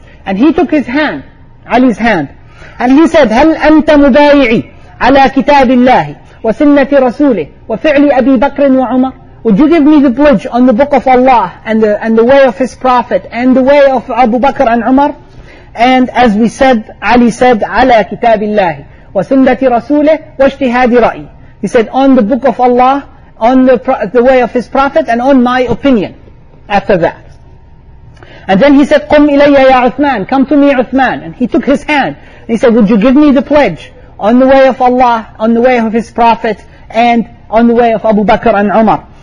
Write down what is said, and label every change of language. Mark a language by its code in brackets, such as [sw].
[en] And he took his hand, Ali's hand. And he said, [ar] هَلْ أَنْتَ مُبَايِعِي عَلَى كِتَابِ اللَّهِ وَسِنَّةِ رَسُولِهِ وَفِعْلِ أَبِي بَكْرٍ وَعُمَرٍ. [en] Would you give me the pledge on the book of Allah and the way of his prophet and the way of Abu Bakr and Umar? And as we said, Ali said, [ar] عَلَى كِتَابِ اللَّهِ وَسِنَّةِ رَسُولِهِ وَاجْتِهَادِ رَأِيِ. [en] He said, on the book of Allah, on the way of his prophet, and on my opinion after that. And then he said, [ar] قُمْ إِلَيَّ يَا عُثْمَانِ. [en] Come to me, Uthman. And he took his hand. And he said, would you give me the pledge on the way of Allah, on the way of his prophet, and on the way of Abu Bakr and Umar?